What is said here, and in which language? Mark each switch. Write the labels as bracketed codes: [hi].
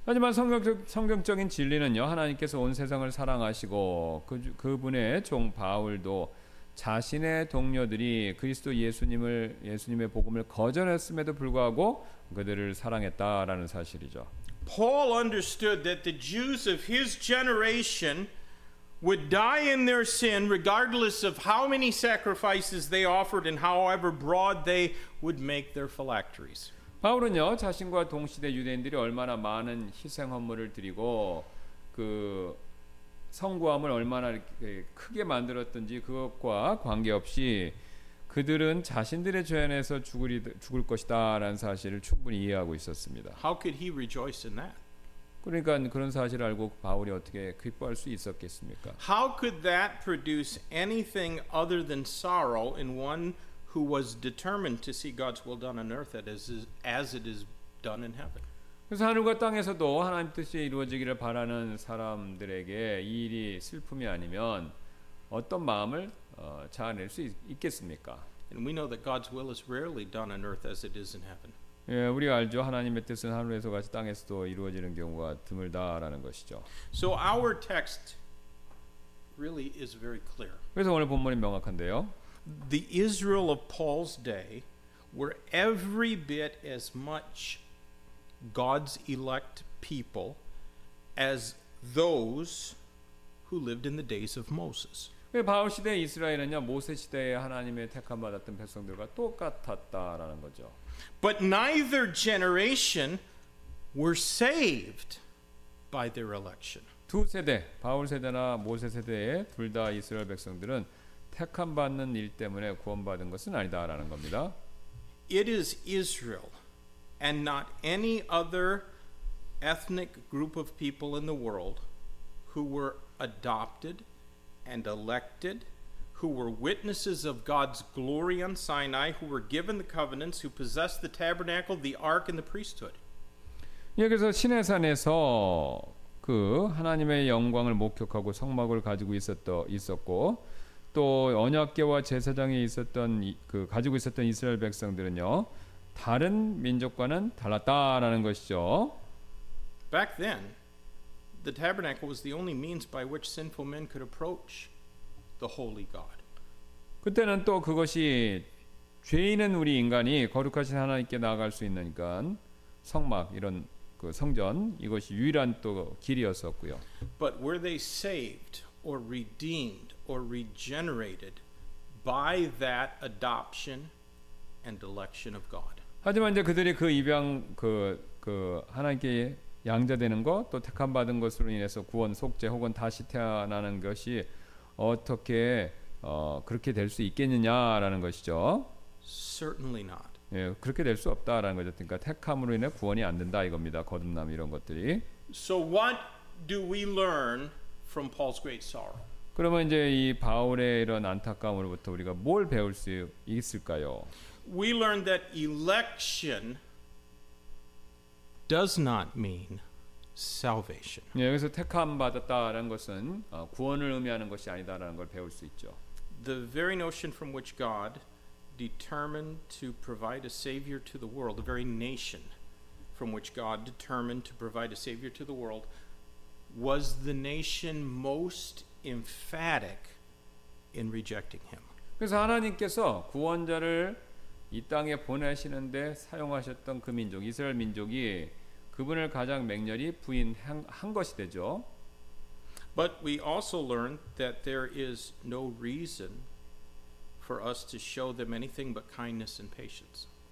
[ko] 하지만 성경적인 진리는요. 하나님께서 온 세상을 사랑하시고 그분의 종 바울도 자신의 동료들이 그리스도 예수님의 복음을 거절했음에도 불구하고 그들을 사랑했다라는 사실이죠. [en] Paul understood that the Jews of his generation would die in their sin regardless of how many sacrifices they offered and however broad they would make their phylacteries. [ko] 바울은요 자신과 동시대 유대인들이 얼마나 많은 희생 헌물을 드리고 그 성구함을 얼마나 크게 만들었든지 그것과 관계없이 그들은 자신들의 죄 안에서 죽을 것이다라는 사실을 충분히 이해하고 있었습니다. [en] How could he rejoice in that? [ko] 그러니까 그런 사실을 알고 바울이 어떻게 기뻐할 수 있었겠습니까? [en] How could that produce anything other than sorrow in one who was determined to see God's will done on earth as it is done in heaven. [ko] 그래서 하늘과 땅에서도 하나님 뜻이 이루어지기를 바라는 사람들에게 이 일이 슬픔이 아니면 어떤 마음을 자아낼 수 있겠습니까? [en] And we know that God's will is rarely done on earth as it is in heaven. [ko] 예, 우리가 알죠. 하나님의 뜻은 하늘에서 같이 땅에서도 이루어지는 경우가 드물다라는 것이죠. [en] So our text really is very clear. [ko] 그래서 오늘 본문이 명확한데요. [en] The Israel of Paul's day were every bit as much God's elect people as those who lived in the days of Moses. [ko] 바울 시대 이스라엘은요 모세 시대에 하나님의 택함 받았던 백성들과 똑같았다라는 거죠. [en] But neither generation were saved by their election. [ko] 두 세대, 바울 세대나 모세 세대의 둘 다 이스라엘 백성들은 택함 받는 일 때문에 구원받은 것은 아니다라는 겁니다. [en] It is Israel and not any other ethnic group of people in the world who were adopted and elected, who were witnesses of God's glory on Sinai, who were given the covenants, who possessed the tabernacle, the ark, and the priesthood. [ko] 여기서 시내산에서 그 하나님의 영광을 목격하고 성막을 가지고 있었고 또 언약궤와 제사장에 있었던 그 가지고 있었던 이스라엘 백성들은요 다른 민족과는 달랐다라는 것이죠. [en] Back then, the tabernacle was the only means by which sinful men could approach the holy God. [ko] 그때는 또 그것이 죄인은 우리 인간이 거룩하신 하나님께 나아갈 수 있으니까 성막 이런 그 성전 이것이 유일한 또 길이었었고요. [en] But were they saved or redeemed or regenerated by that adoption and election of God? [ko] 하지만 이제 그들이 그 입양 그 하나님께 양자되는 것, 또 택함받은 것으로 인해서 구원, 속죄 혹은 다시 태어나는 것이 어떻게 그렇게 될 수 있겠느냐라는 것이죠. [en] Certainly not. [ko] 예, 그렇게 될 수 없다라는 거죠. 그러니까 택함으로 인해 구원이 안 된다 이겁니다. 거듭남 이런 것들이. [en] So what do we learn from Paul's great sorrow? [ko] 그러면 이제 이 바울의 이런 안타까움으로부터 우리가 뭘 배울 수 있을까요? [en] We learn that election does not mean salvation. [ko] 예, 여기서 택함 받았다라는 것은 구원을 의미하는 것이 아니다라는 걸 배울 수 있죠. [en] The very notion from which God determined to provide a savior to the world, the very nation from which God determined to provide a savior to the world, was the nation most emphatic in rejecting him. [ko] 그래서 하나님께서 구원자를 이 땅에 보내시는데 사용하셨던 그 민족, 이스라엘 민족이 그분을 가장 맹렬히 부인한 것이 되죠. [en] But we also learn that there is no reason for us to show them anything but kindness and patience.